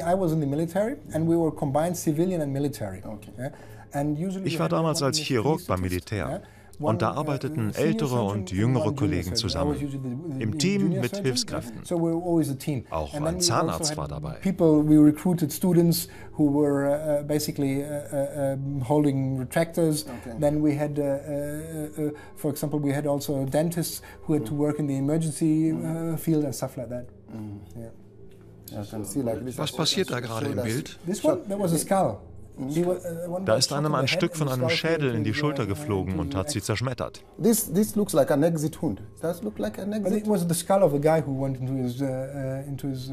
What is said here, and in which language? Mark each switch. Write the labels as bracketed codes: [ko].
[en] I was in the military, and we were combined civilian and military. [de] Ich war damals als Chirurg beim Militär. Und da arbeiteten ältere und jüngere Kollegen zusammen, im Team mit Hilfskräften. Auch ein Zahnarzt war dabei. [en] Wir recruited students who were basically holding retractors. Then we had, for example, we had also dentists who had to work in the emergency field and stuff like that. [de] Was passiert da gerade im Bild? [en] This one, that was a skull. [de] Da ist einem ein Stück von einem Schädel in die Schulter geflogen und hat sie zerschmettert. [en] This looks like an exit wound. Does look like an exit. It was the skull of a guy who went into his.